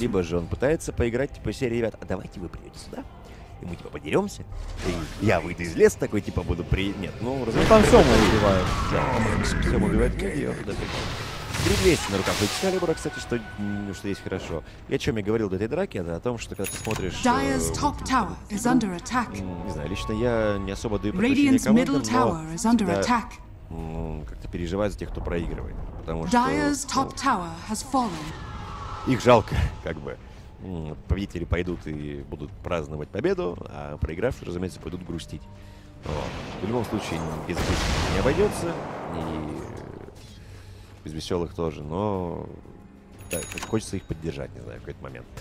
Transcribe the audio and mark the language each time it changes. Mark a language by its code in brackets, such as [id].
[ru] Либо же он пытается поиграть, типа, серии, ребят, а давайте вы придете сюда, и мы, типа, подеремся, и я выйду из леса такой, типа, буду при... Нет, ну, разве... Ну, там Сёма убивает. Сёма убивает, как её, да, 3200 на руках у Экскалибура, кстати, что есть хорошо. Я о чем я говорил до этой драки, это о том, что когда ты смотришь... [en] Dire's top tower is under attack. [ru] Не знаю, лично я не особо даю предпочтение командам, но всегда, как-то переживаю за тех, кто проигрывает. Потому что... [en] Dire's top tower has fallen. [ru] Их жалко, как бы. Победители пойдут и будут праздновать победу, а проигравшие, разумеется, пойдут грустить. Но, в любом случае, без грусти не обойдется, и... Без веселых тоже, но да, хочется их поддержать, не знаю, в какой-то момент.